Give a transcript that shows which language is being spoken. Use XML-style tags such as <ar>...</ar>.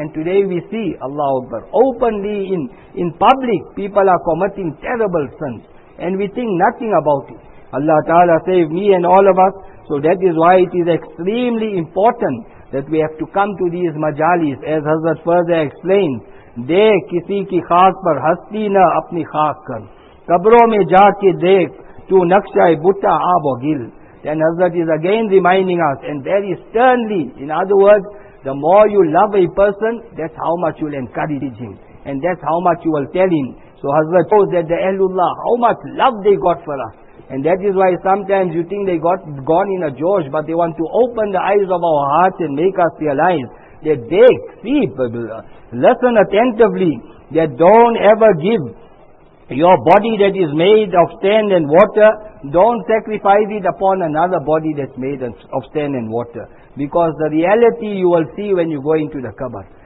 <en>And today we see, Allahu Akbar, openly in public, people are committing terrible sins. And we think nothing about it. Allah Ta'ala save me and all of us. So that is why it is extremely important that we have to come to these majalis, as Hazrat further explained.</en> <ur>دیکھ کسی کی خاک پر ہستی نہ اپنی خاک کر قبروں میں جا کے دیکھ تو نقشہ بٹا آب و گل.</ur> <en>Then Hazrat is again reminding us, and very sternly, in other words, the more you love a person, that's how much you'll encourage him, and that's how much you will tell him. So Hazrat shows that the Ahlullah, how much love they got for us, and that is why sometimes you think they got gone in a josh, but they want to open the eyes of our hearts and make us realize that dekh, see, listen attentively, that don't ever give your body that is made of sand and water, don't sacrifice it upon another body that's made of sand and water. Because the reality you will see when you go into the qabr.</en>